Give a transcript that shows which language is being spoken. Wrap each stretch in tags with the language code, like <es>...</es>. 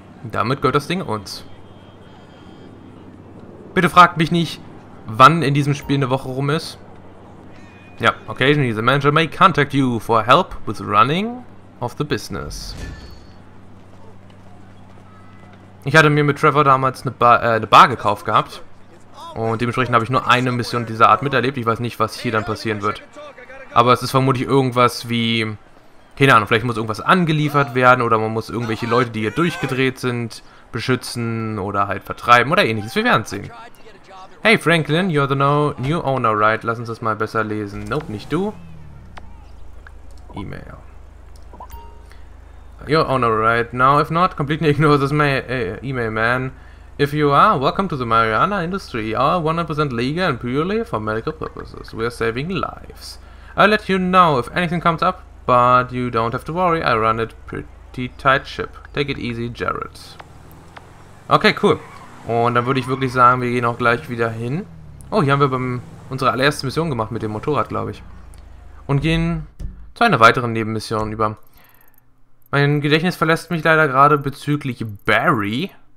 <de>Damit gehört das Ding uns. Bitte fragt mich nicht, wann in diesem Spiel eine Woche rum ist.</de> <en>Ja, occasionally the manager may contact you for help with running of the business.</en> <de>Ich hatte mir mit Trevor damals eine Bar gekauft gehabt. Und dementsprechend habe ich nur eine Mission dieser Art miterlebt. Ich weiß nicht, was hier dann passieren wird. Aber es ist vermutlich irgendwas wie... Keine Ahnung, vielleicht muss irgendwas angeliefert werden oder man muss irgendwelche Leute, die hier durchgedreht sind, beschützen oder halt vertreiben oder ähnliches. Wir werden es sehen.</de> <en>Hey Franklin, you're the new owner, right?</en> <de>Lass uns das mal besser lesen. Nope, nicht du. E-Mail.</de> <en>You're owner right now. If not, completely ignore this email, man. If you are, welcome to the marijuana industry. All 100% legal and purely for medical purposes. We are saving lives. I'll let you know if anything comes up. But you don't have to worry, I run it pretty tight ship. Take it easy, Jared. Okay, cool.</en> <de>Und dann würde ich wirklich sagen, wir gehen auch gleich wieder hin. Oh, hier haben wir unsere allererste Mission gemacht mit dem Motorrad, glaube ich. Und gehen zu einer weiteren Nebenmission über. Mein Gedächtnis verlässt mich leider gerade bezüglich Barry.</de>